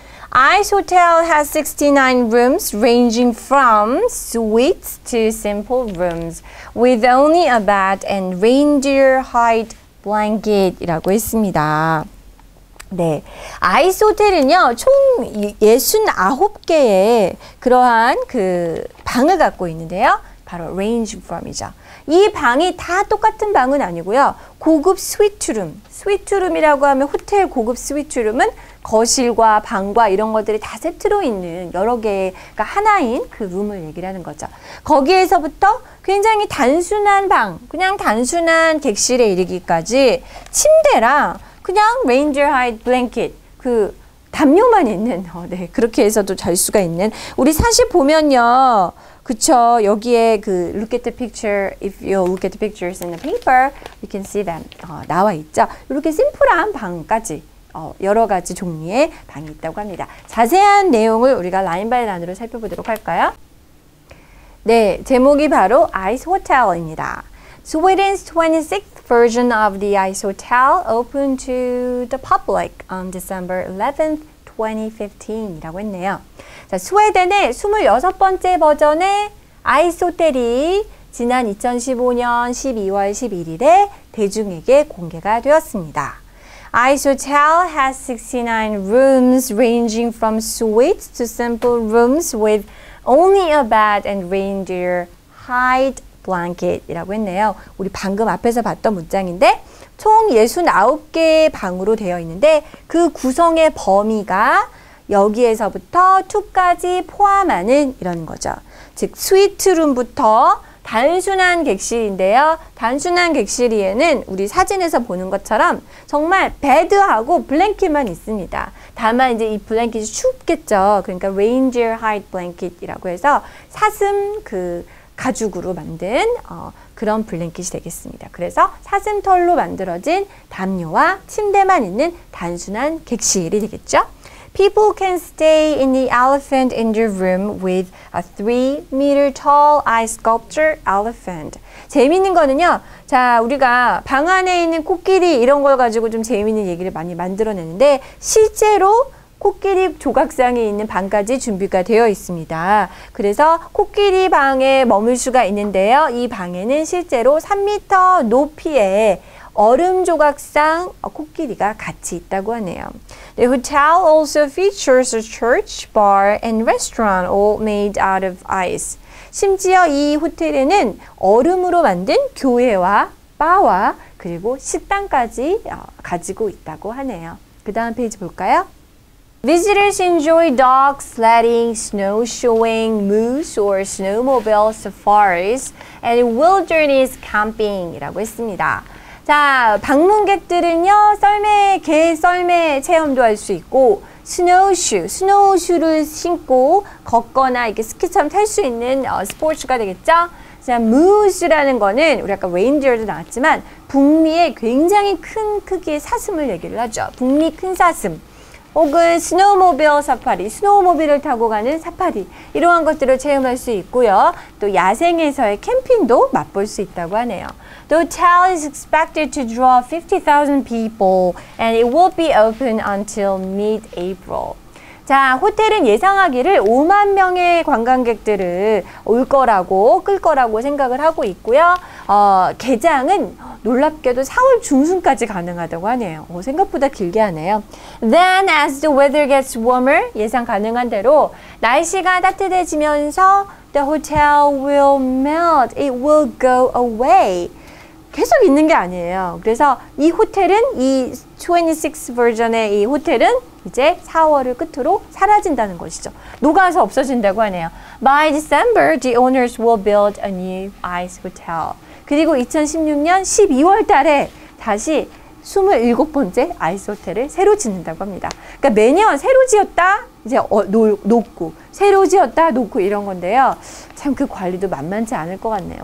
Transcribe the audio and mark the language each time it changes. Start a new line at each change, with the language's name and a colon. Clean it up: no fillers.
English: Ice Hotel has 69 rooms ranging from suites to simple rooms with only a bed and reindeer hide blanket
Korean: 이라고 했습니다. 네. 아이스 호텔은요, 총 69개의 그러한 그 방을 갖고 있는데요. 바로
English: range from
Korean: 이죠. 이 방이 다 똑같은 방은 아니고요. 고급 스위트룸. 스위트룸이라고 하면 호텔 고급 스위트룸은 거실과 방과 이런 것들이 다 세트로 있는 여러 개의 그러니까 하나인 그 룸을 얘기를 하는 거죠. 거기에서부터 굉장히 단순한 방, 그냥 단순한 객실에 이르기까지 침대랑 그냥
English: reindeer hide blanket,
Korean: 그 담요만 있는, 네, 그렇게 해서도 잘 수가 있는. 우리 사실 보면요. 그쵸. 여기에 그
English: look at the picture, if you look at the pictures in the paper, you can see them.
Korean: 나와 있죠. 이렇게 심플한 방까지. 여러 가지 종류의 방이 있다고 합니다. 자세한 내용을 우리가 라인 바이 라인으로 살펴보도록 할까요? 네, 제목이 바로 Ice Hotel입니다.
English: Sweden's 26th version of the Ice Hotel opened to the public on December 11th, 2015이라고 했네요.
Korean: 자, 스웨덴의 26번째 버전의 Ice Hotel이 지난 2015년 12월 11일에 대중에게 공개가 되었습니다.
English: Ice Hotel has 69 rooms ranging from suites to simple rooms with only a bed and reindeer hide blanket
Korean: 이라고 했네요. 우리 방금 앞에서 봤던 문장인데 총 69개의 방으로 되어 있는데 그 구성의 범위가 여기에서부터 2까지 포함하는 이런 거죠. 즉 스위트룸부터 단순한 객실인데요. 단순한 객실에는 우리 사진에서 보는 것처럼 정말 베드하고 블랭킷만 있습니다. 다만 이제 이 블랭킷이 춥겠죠. 그러니까 reindeer hide blanket이라고 해서 사슴 그 가죽으로 만든 그런 블랭킷이 되겠습니다. 그래서 사슴 털로 만들어진 담요와 침대만 있는 단순한 객실이 되겠죠.
English: People can stay in the elephant in the room with a 3m tall ice sculpture elephant.
Korean: 재미있는 거는요. 자, 우리가 방 안에 있는 코끼리 이런 걸 가지고 좀 재미있는 얘기를 많이 만들어내는데 실제로 코끼리 조각상에 있는 방까지 준비가 되어 있습니다. 그래서 코끼리 방에 머물 수가 있는데요. 이 방에는 실제로 3m 높이의 얼음 조각상 코끼리가 같이 있다고 하네요.
English: The hotel also features a church, bar, and restaurant all made out of ice.
Korean: 심지어 이 호텔에는 얼음으로 만든 교회와 바와 그리고 식당까지 가지고 있다고 하네요. 그 다음 페이지 볼까요?
English: Visitors enjoy dog sledding, snowshoeing, moose or snowmobile safaris, and wilderness camping이라고 했습니다.
Korean: 자, 방문객들은요, 썰매, 개 썰매 체험도 할 수 있고, 스노우슈를 신고 걷거나 이렇게 스키처럼 탈 수 있는 스포츠가 되겠죠? 자, 무스라는 거는 우리 아까 레인디어도 나왔지만 북미의 굉장히 큰 크기의 사슴을 얘기를 하죠. 북미 큰 사슴 혹은 스노우모빌 사파리, 스노우모빌을 타고 가는 사파리 이러한 것들을 체험할 수 있고요. 또 야생에서의 캠핑도 맛볼 수 있다고 하네요.
English: The hotel is expected to draw 50,000 people and it will be open until mid-April.
Korean: 자, 호텔은 예상하기를 5만 명의 관광객들을 올 거라고 끌 거라고 생각을 하고 있고요. 개장은 놀랍게도 4월 중순까지 가능하다고 하네요. 생각보다 길게 하네요.
English: Then as the weather gets warmer,
Korean: 예상 가능한 대로 날씨가 따뜻해지면서
English: the hotel will melt, it will go away.
Korean: 계속 있는 게 아니에요. 그래서 이 호텔은 이 26버전의 이 호텔은 이제 4월을 끝으로 사라진다는 것이죠. 녹아서 없어진다고 하네요.
English: By December, the owners will build a new ice hotel.
Korean: 그리고 2016년 12월 달에 다시 27번째 아이스 호텔을 새로 짓는다고 합니다. 그러니까 매년 새로 지었다, 이제 녹고, 새로 지었다, 녹고 이런 건데요. 참 그 관리도 만만치 않을 것 같네요.